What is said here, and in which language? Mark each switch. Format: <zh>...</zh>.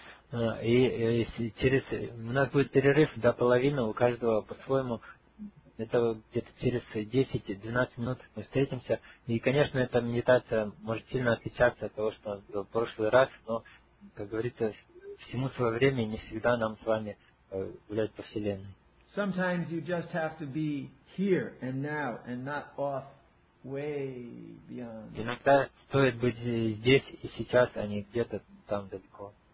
<ru>У нас будет перерыв до половины, у каждого по-своему. Это где-то через 10-12 минут мы встретимся. И, конечно, эта медитация может сильно отличаться от того, что в прошлый раз, но, как говорится, всему свое время, не всегда нам с вами гулять по Вселенной.</ru> <en>Sometimes you just have to be here and now and not off way beyond.</en> <ru>Иногда стоит быть здесь и сейчас, а не где-то там далеко.</ru>